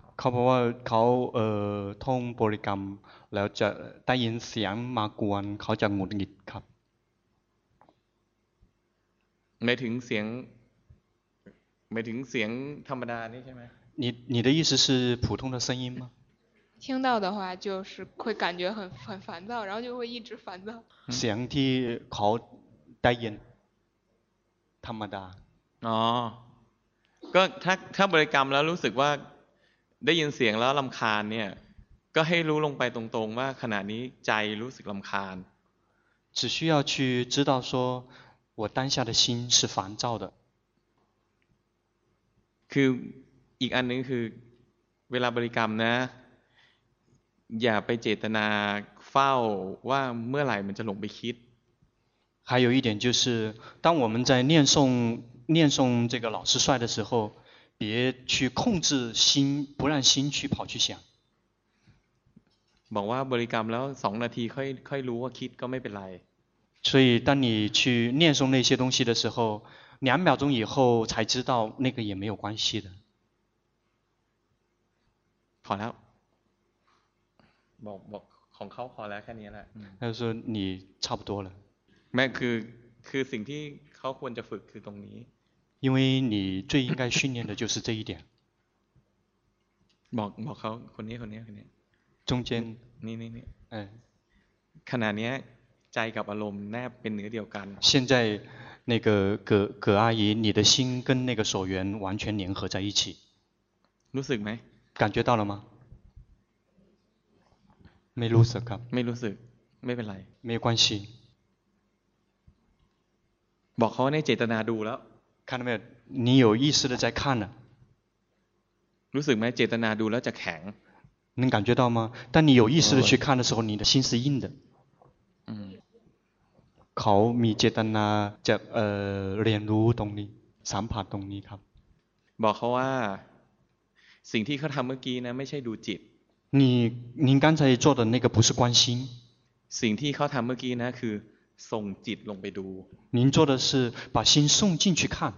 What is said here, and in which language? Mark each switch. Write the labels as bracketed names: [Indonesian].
[Thai] เขาบอกว่าเขาท่องบริกรรมแล้วจะได้ยินเสียงมากวนเขาจะหงุดหงิดครับ ไม่ถึงเสียงธรรมดานี่ใช่ไหม [Chinese] 你的意思是普通的声音吗听到的话就是会感觉很烦躁然后就会一直烦躁 [Thai] เสียงที่เขาได้ยินธรรมดา ก็ถ้าบริกรรมแล้วรู้สึกว่าได้ยินเสียงแล้วรำคาญเนี่ยก็ให้รู้ลงไปตรงๆว่าขณะนี้ใจรู้สึกรำคาญ [Chinese] 只需要去知道说我当下的心是烦躁的 [Thai] คืออีกอันนึงคือเวลาบริกรรมนะอย่าไปเจตนาเฝ้าว่าเมื่อไหร่มันจะหลงไปคิด [Chinese] 还有一点就是当我们在念诵这个老师帅的时候别去控制心不让心去跑去想 [Thai] บอกว่าบริกรรมแล้ว2นาทีค่อยรู้ว่าคิดก็ไม่เป็นไร [Chinese] 所以当你去念诵那些东西的时候2秒钟以后才知道那个也没有关系的 [Thai] พอแล้วบอกของเขาพอแล้วแค่นี้แหละ [Chinese] 他就说你差不多了 [Thai] แม้คือสิ่งที่เขาควรจะฝึกคือตรงนี้ [Chinese] 因为你最应该训练的就是这一点。 [Thai] บอกเขาคนนี้ [Chinese] 中间 [Thai] นี่ 嗯 ขณะนี้ใจกับอารมณ์แนบเป็นเนื้อเดียวกัน [Chinese] 现在那个葛阿姨你的心跟那个所缘完全粘合在一起 [Thai] รู้สึกไหม [Chinese] 感觉到了吗 [Thai] ไม่รู้สึกครับ ไม่รู้สึกไม่เป็นไร [Chinese] 没有关系 [Thai] บอกเขาในเจตนาดูแล้ว [Chinese] 看到没有？你有意识的在看呢。 [Thai] รู้สึกไหมเจตนาดูแล้วจะแข็ง [Chinese] 能感觉到吗？当你有意识的去看的时候，你的心是硬的。 [Thai] เขามีเจตนาจะเรียนรู้ตรงนี้สัมผัสตรงนี้ครับ。 บอกเขาว่าสิ่งที่เขาทำเมื่อกี้นะไม่ใช่ดูจิต。 [Chinese] 您刚才做的那个不是观心。 [Thai] สิ่งที่เขาทำเมื่อกี้นะคือส่งจิตลงไปดู [Chinese] 您做的是把心送进去看